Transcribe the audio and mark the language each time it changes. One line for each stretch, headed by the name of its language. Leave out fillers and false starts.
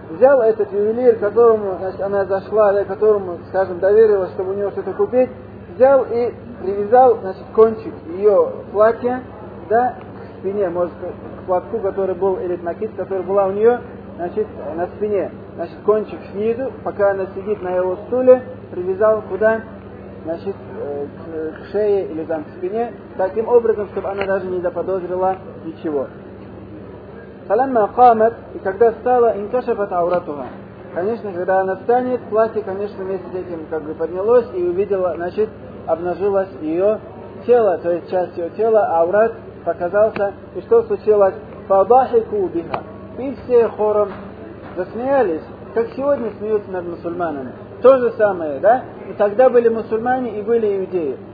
Russian: Взял этот ювелир, которому, значит, она зашла, да, которому, скажем, доверилась, чтобы у него что-то купить, взял и привязал, значит, кончик ее платья, да, к спине, может, к платку, который был, или накид, который была у нее, значит, на спине. Значит, кончик снизу, пока она сидит на его стуле, привязал куда? Значит, к шее или там к спине, таким образом, чтобы она даже не заподозрила ничего.
Arabic: فلما قامت,
Russian: и когда встала,
Arabic: انكشفت عورتها.
Russian: Конечно, когда она встанет, платье, конечно, вместе с этим как бы поднялось и увидела, значит, обнажилось ее тело, то есть часть ее тела, аурат показался. И что случилось?
Arabic: فضحكوا بها.
Russian: И все хором засмеялись, как сегодня смеются над мусульманами. То же самое, да? И тогда были мусульмане и были иудеи.